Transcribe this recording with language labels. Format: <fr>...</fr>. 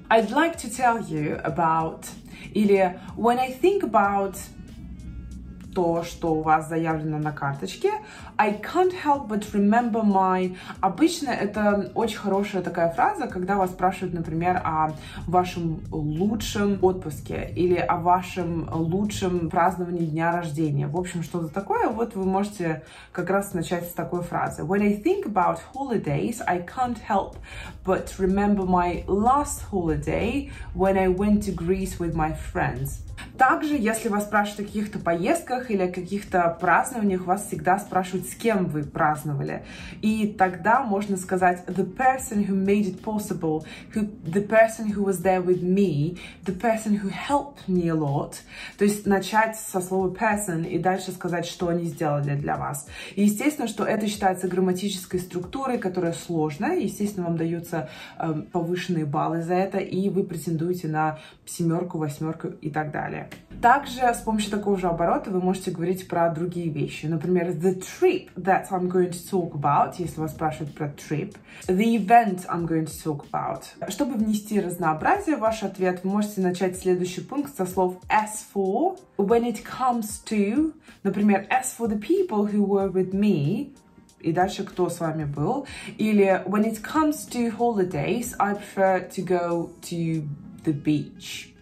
<en>I'd like to tell you about,</en> <ru>или</ru> <en>when I think about</en> <ru>то, что у вас заявлено на карточке,</ru> <en>I can't help but remember my.</en> <ru>Обычно это очень хорошая такая фраза, когда вас спрашивают, например, о вашем лучшем отпуске или о вашем лучшем праздновании дня рождения. В общем, что-то такое. Вот вы можете как раз начать с такой фразы.</ru> <en>When I think about holidays, I can't help but remember my last holiday when I went to Greece with my friends.</en> <ru>Также, если вас спрашивают о каких-то поездках или о каких-то празднованиях, вас всегда спрашивают, с кем вы праздновали. И тогда можно сказать</ru> <en>the person who made it possible, the person who was there with me, the person who helped me a lot.</en> <ru>То есть начать со слова person и дальше сказать, что они сделали для вас. И естественно, что это считается грамматической структурой, которая сложная. Естественно, вам даются повышенные баллы за это, и вы претендуете на 7, 8 и так далее. Также с помощью такого же оборота вы можете говорить про другие вещи. Например,</ru> <en>the trip that I'm going to talk about,</en> <ru>если вас спрашивают про</ru> <en>trip. The event I'm going to talk about.</en> <ru>Чтобы внести разнообразие в ваш ответ, вы можете начать следующий пункт со слов</ru> <en>as for. When it comes to,</en> <ru>например,</ru> <en>as for the people who were with me.</en> <ru>И дальше, кто с вами был. Или</ru> <en>when it comes to holidays, I prefer to go to the beach.</en>